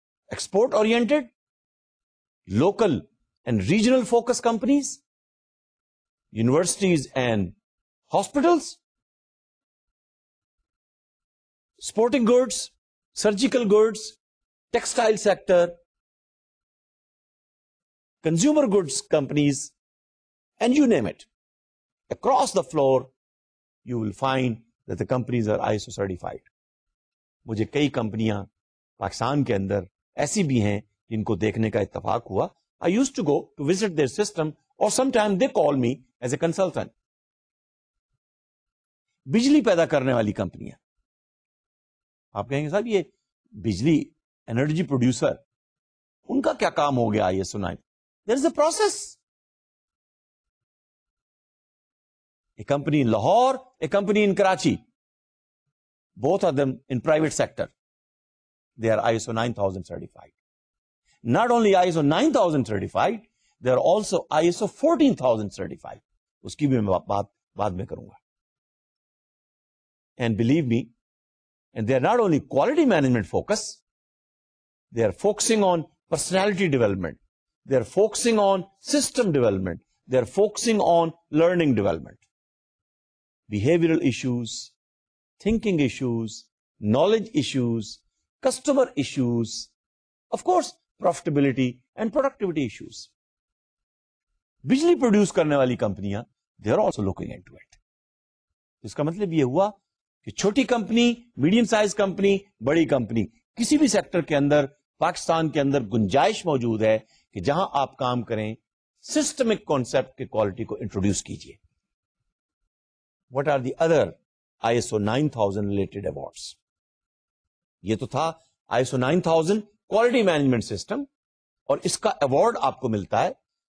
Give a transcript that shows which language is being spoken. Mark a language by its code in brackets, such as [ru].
[en] Export-oriented, local and regional-focused companies, universities and hospitals, sporting goods, surgical goods, textile sector, consumer goods companies, and you name it. Across the floor, you will find that the companies are ISO certified. [ur] مجھے کئی کمپنیاں پاکستان کے اندر ایسی بھی ہیں جن کو دیکھنے کا اتفاق ہوا. [en] I used to go to visit their system or sometime they call me as a consultant. [ur] بجلی پیدا کرنے والی کمپنیاں آپ کہیں گے صاحب یہ بجلی انرجی پروڈیوسر ان کا کیا کام ہو گیا یہ سنائے. [en] There is a process. A company in Lahore, a company in Karachi, both of them in private sector, they are I S O 9000 certified. Not only I S O 9000 certified, they are also I S O 14000 certified. [ur] اس کی بھی میں بات بعد میں کروں گا. [en] And believe me, and they are not only quality management focus, they are focusing on personality development, they are focusing on system development, they are focusing on learning development, behavioural issues, thinking issues, knowledge issues, customer issues, of course profitability and productivity issues. بجلی produce کرنے والی کمپنیاں, they are also looking into it. [ur] اس کا مطلب یہ ہوا کہ چھوٹی کمپنی, میڈیم سائز کمپنی, بڑی کمپنی, کسی بھی سیکٹر کے اندر پاکستان کے اندر گنجائش موجود ہے کہ جہاں آپ کام کریں سسٹمک کانسیپٹ کے کوالٹی کو انٹروڈیوس کیجئے. [en] What are the other I S O 9000 related awards? [ur] یہ تو تھا I S O 9000 quality management system, اور اس کا ایوارڈ آپ کو ملتا ہے.